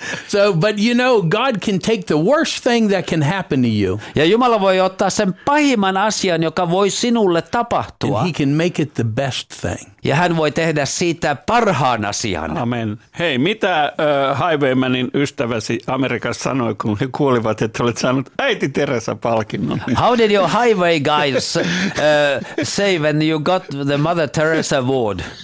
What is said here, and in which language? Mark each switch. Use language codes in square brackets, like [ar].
[en] So, but you know, God can take the worst thing that can happen to you. [fi] Ja Jumala voi ottaa sen pahimman asian, joka voi sinulle tapahtua. [en] And he can make it the best thing. [fi] Ja hän voi tehdä siitä parhaan asian. [en] Amen. [fi] Hei, mitä Highwaymanin ystäväsi Amerikassa sanoi, kun he kuulivat, että olet saanut äiti Teresa -palkinnon? [en] How did your highway guys say when you got the Mother Teresa Award?